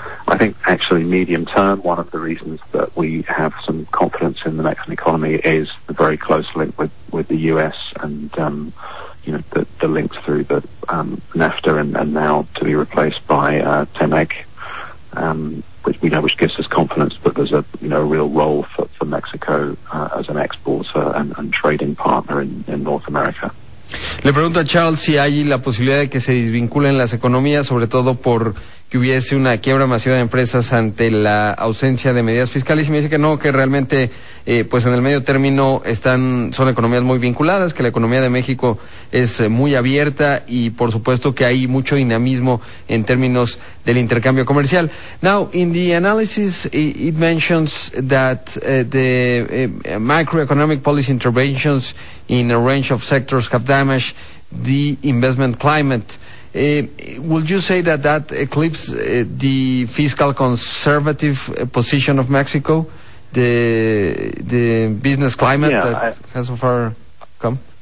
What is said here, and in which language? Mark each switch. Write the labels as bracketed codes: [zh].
[en] I think actually medium term, one of the reasons that we have some confidence in the Mexican economy is the very close link with the US and, you know, the links through the NAFTA and now to be replaced by TEMEC, which, you know, which gives us confidence that there's a, you know, a real role for Mexico as an exporter and trading partner in North America. [es] Le pregunto a Charles si hay la posibilidad de que se desvinculen las economías, sobre todo por que hubiese una quiebra masiva de empresas ante la ausencia de medidas fiscales, y me dice que no, que realmente, pues en el medio término están, son economías muy vinculadas, que la economía de México es muy abierta y por supuesto que hay mucho dinamismo en términos del intercambio comercial. [en] Now, in the analysis, it mentions that the macroeconomic policy interventions in a range of sectors have damaged the investment climate. Would you say that that eclipses the fiscal conservative position of Mexico, the business climate that has so far come?